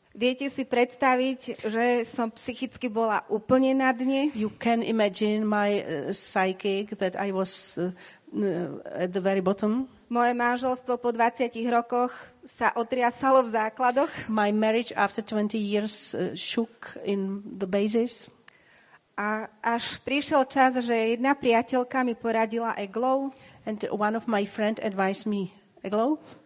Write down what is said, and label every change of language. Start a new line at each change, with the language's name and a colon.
Slovak: Viete si predstaviť, že som psychicky bola úplne na dne?
English: You can imagine my psychic that I was at the very bottom.
Slovak: Moje manželstvo po 20 rokoch sa otriasalo v základoch.
English: My marriage after 20 years shook in the basis.
Slovak: A až prišiel čas, že jedna priateľka mi poradila Eglow.
English: And one of my friend advised me Eglow.